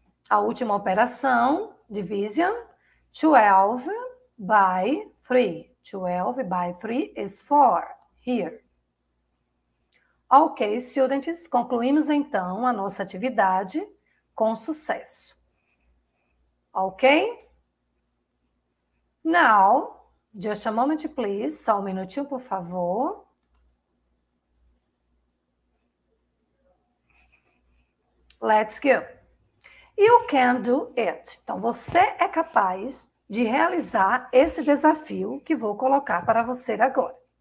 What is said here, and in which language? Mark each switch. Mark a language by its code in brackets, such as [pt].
[pt] A última operação. [en] Division. 12 by 3. 12 by 3 is 4. Here. Ok, students, [pt] concluímos então a nossa atividade com sucesso. [en] Ok? Now, just a moment, please. [pt] Só um minutinho, por favor. [en] Let's go. You can do it. [pt] Então, você é capaz de realizar esse desafio que vou colocar para você agora.